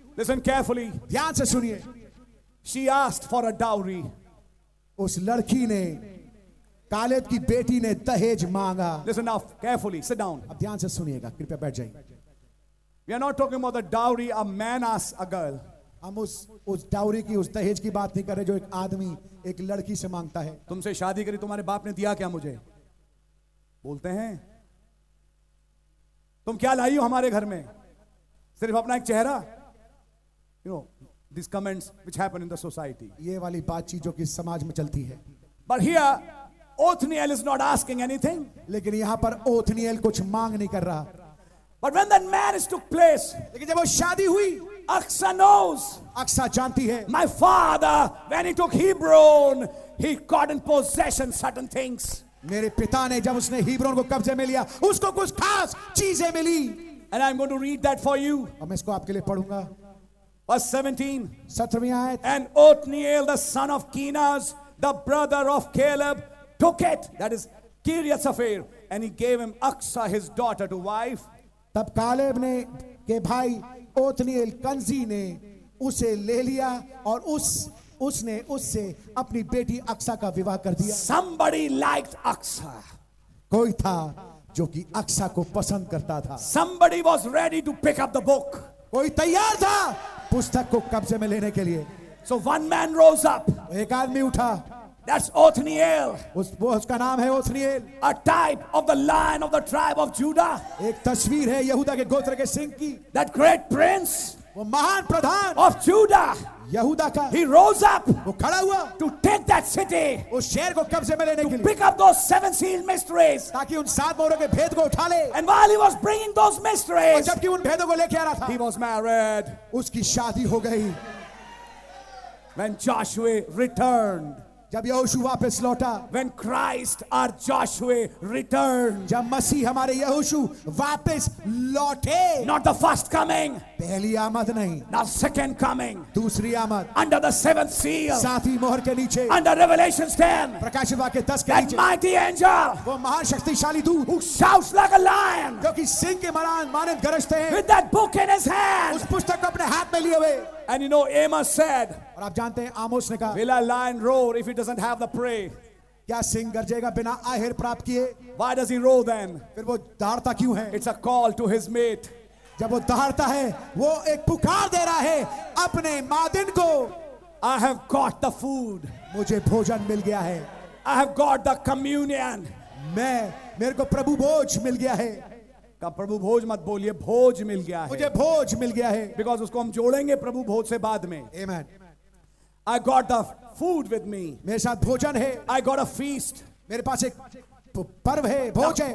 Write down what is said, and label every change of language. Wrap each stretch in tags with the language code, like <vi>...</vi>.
<en>listen carefully</en> <hi>dhyan se suniye</hi> <en>she asked for a dowry</en> <hi>us ladki ne Caleb ki beti ne dahej manga</hi> <en>listen now carefully sit down</en> <hi>ab dhyan se suniyega kripya baith jaiye</hi> <en>we are not talking about the dowry a man asks a girl</en> <hi>हम उस dowry की उस दहेज की बात नहीं कर रहे जो एक आदमी एक लड़की से मांगता है तुमसे शादी करी तुम्हारे बाप ने दिया क्या मुझे बोलते हैं तुम क्या लाई हो हमारे घर में सिर्फ अपना एक चेहरा</hi> <en>you know this comments which happen in the society</en> <hi>ये वाली बातचीत जो कि समाज में चलती है</hi> <en>but here Othniel is not asking anything</en> <hi>लेकिन यहां पर Othniel कुछ मांग नहीं कर रहा</hi> <en>but when that marriage took place</en> <hi>लेकिन जब वो शादी हुई</hi> <en>Aksa knows.</en> <hi>Aksa जानती है.</hi> <en>My father, when he took Hebron, he got in possession certain things.</en> <hi>मेरे पिता ने जब उसने हिब्रोन को कब्जे में लिया, उसको कुछ खास चीजें मिली.</hi> <en>And I'm going to read that for you.</en> <hi>अब मैं इसको आपके लिए पढूंगा.</hi> <en>Verse 17.</en> <hi>17वीं आयत.</hi> <en>And Othniel, the son of Kenaz, the brother of Caleb, took it. That is Kiriath Sefer, and he gave him Aksa, his daughter, to wife.</en> <hi>तब Caleb ने के भाई Othniel कंजी ने उसे ले लिया और उस उसने उससे अपनी बेटी अक्सा का विवाह कर दिया.</hi> <en>Somebody liked Aksa.</en> <hi>कोई था जो कि अक्सा को पसंद करता था.</hi> <en>Somebody was ready to pick up the book.</en> <hi>कोई तैयार था पुस्तक को कब्जे में लेने के लिए.</hi> <en>So one man rose up.</en> <hi>एक आदमी उठा.</hi> <en>That's Othniel.</en> <hi>उसका नाम है Othniel.</hi> <en>A type of the lion of the tribe of Judah.</en> <hi>एक तस्वीर है यहूदा के गोत्र के सिंह की.</hi> <en>That great prince.</en> <hi>वो महान प्रधान.</hi> <en>Of Judah.</en> <hi>यहूदा का.</hi> <en>He rose up.</en> <hi>वो खड़ा हुआ.</hi> <en>To take that city.</en> <hi>उस शहर को कब्जे में लेने के लिए.</hi> <en>To pick up those seven sealed mysteries.</en> <hi>ताकि उन सात मोहरों के भेद को उठा ले.</hi> <en>And while he was bringing those mysteries.</en> <hi>जबकि उन भेदों को लेके आ रहा था.</hi> <en>He was married.</en> <hi>उसकी शादी हो गई.</hi> <en>When Joshua returned.</en> <hi>जब यहोशू वापस लौटा.</hi> <en>When Christ our Joshua returned.</en> <hi>जब मसीह हमारे यहोशू वापस लौटे.</hi> <en>Not the first coming.</en> <hi>पहली आमद नहीं.</hi> <en>Now second coming.</en> <hi>दूसरी आमद.</hi> <en>Under the seventh seal.</en> <hi>सातवीं मोहर के नीचे.</hi> <en>Under Revelation 10.</en> <hi>प्रकाशित वाक्य 10 के</hi> <en>that</en> <hi>नीचे.</hi> <en>That mighty angel.</en> <hi>वो महाशक्तिशाली दूत.</hi> <en>Who shouts like a lion.</en> <hi>क्योंकि सिंह के माने गरजते हैं.</hi> <en>With that book in his hand.</en> <hi>उस पुस्तक को अपने हाथ में लिए हुए.</hi> <en>And you know Amos said.</en> <hi>और आप जानते हैं आमोस ने कहा.</hi> <en>Will a lion roar if he doesn't have the prey?</en> <hi>क्या सिंह गरजेगा बिना आहार प्राप्त किए?</hi> <en>Why does he roar then?</en> <hi>फिर वो दहाड़ता क्यों है?</hi> <en>It's a call to his mate.</en> <hi>जब वो दहाड़ता है, वो एक पुकार दे रहा है अपने मादिन को.</hi> <en>I have got the food.</en> <hi>मुझे भोजन मिल गया है.</hi> <en>I have got the communion.</en> <hi>मैं मेरे को प्रभु भोज मिल गया है. का प्रभु भोज मत बोलिए, भोज मिल गया है. मुझे भोज मिल गया है. बिकॉज उसको हम जोड़ेंगे प्रभु भोज से बाद में.</hi> <en>Amen. I got the food with me.</en> <hi>मेरे साथ भोजन है.</hi> <en>I got a feast.</en> <hi>मेरे पास एक पर्व है, भोज है.</hi>